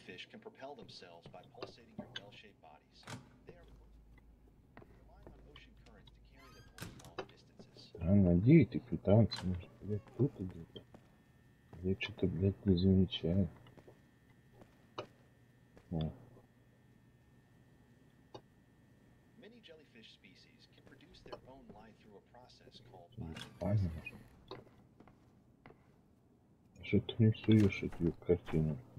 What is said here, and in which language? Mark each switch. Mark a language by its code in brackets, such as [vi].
[en] Can propel themselves by pulsating their bell-shaped bodies. They are relying on ocean currents to carry them over long distances. [ru] А где эти квитанции? Может, блядь, тут где-то? Я что-то, блядь, не замечаю. О. [en] Many jellyfish species can produce their own light through a process called bioluminescence. [ru] А что ты не суешь эту картину?